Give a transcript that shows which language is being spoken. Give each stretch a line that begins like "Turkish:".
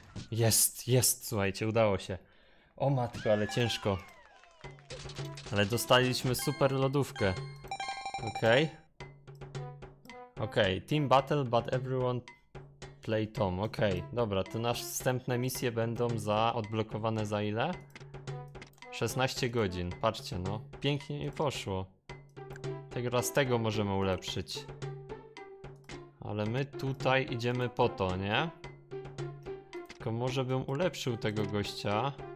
Polish: Jest, jest, słuchajcie, udało się. O matko, ale ciężko. Ale dostaliśmy super lodówkę. Okej.
English: Okej, team battle, but everyone play Tom.
Polish: Okej, dobra, to nasze wstępne misje będą za odblokowane za ile? 16 godzin, patrzcie no. Pięknie mi poszło. Teraz tego możemy ulepszyć. Ale my tutaj idziemy po to, nie? Tylko może bym ulepszył tego gościa.